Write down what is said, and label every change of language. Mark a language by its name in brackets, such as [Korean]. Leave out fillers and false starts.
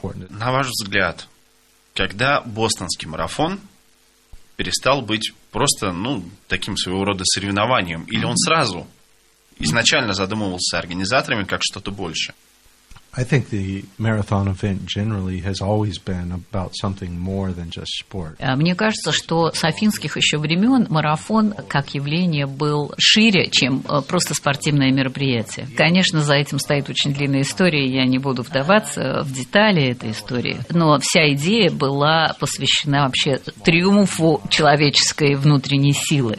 [Russian] На ваш взгляд, когда Бостонский марафон перестал быть просто, ну, таким своего рода соревнованием, или он сразу изначально задумывался организаторами как что-то большее? [English] I think the marathon event generally has always been about something more than just sport. [Russian] Мне кажется, что с афинских еще времен марафон как явление был шире, чем просто спортивное мероприятие. Конечно, за этим стоит очень длинная история, я не буду вдаваться в детали этой истории. Но вся идея была посвящена вообще триумфу человеческой внутренней силы.